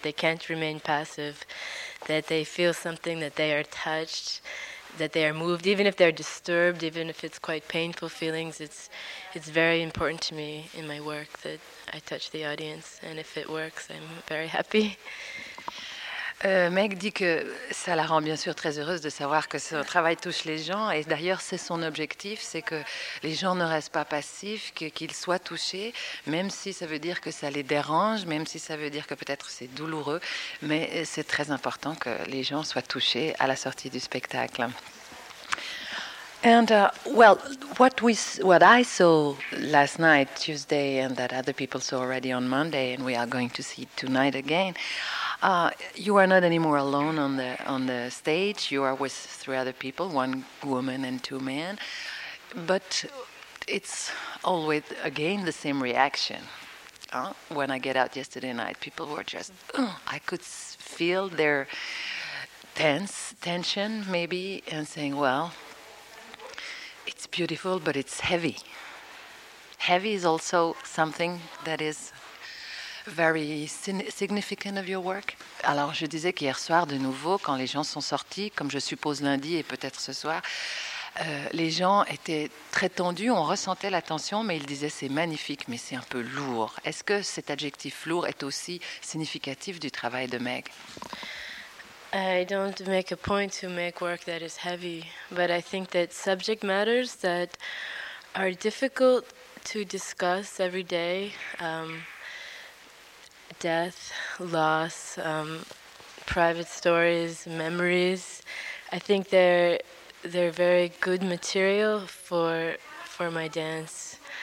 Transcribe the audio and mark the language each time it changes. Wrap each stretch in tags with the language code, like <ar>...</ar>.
<en>They can't remain passive. That they feel something, that they are touched, that they are moved, even if they're disturbed, even if it's quite painful feelings. It's very important to me in my work that I touch the audience, and if it works, I'm very happy.</en> <fr>Meg dit que ça la rend bien sûr très heureuse de savoir que son travail touche les gens, et d'ailleurs c'est son objectif, c'est que les gens ne restent pas passifs, qu'ils soient touchés, même si ça veut dire que ça les dérange, même si ça veut dire que peut-être c'est douloureux, mais c'est très important que les gens soient touchés à la sortie du spectacle.</fr> <en>And what I saw last night, Tuesday, and that other people saw already on Monday, and we are going to see tonight again. You are not anymore alone on the stage. You are with 3 other people, 1 woman and 2 men. But it's always again the same reaction. When I get out yesterday night, people were just I could feel their tension maybe, and saying, well, it's beautiful, but it's heavy. Heavy is also something that is very significant of your work.</en> <fr>Alors, je disais qu'hier soir, de nouveau, quand les gens sont sortis, comme je suppose lundi et peut-être ce soir, les gens étaient très tendus, on ressentait la tension, mais ils disaient c'est magnifique, mais c'est un peu lourd. Est-ce que cet adjectif lourd est aussi significatif du travail de Meg?</fr> <en>I don't make a point to make work that is heavy, but I think that subject matters that are difficult to discuss every day, death, loss, private stories, memories, I think they're very good material for my dance.</en>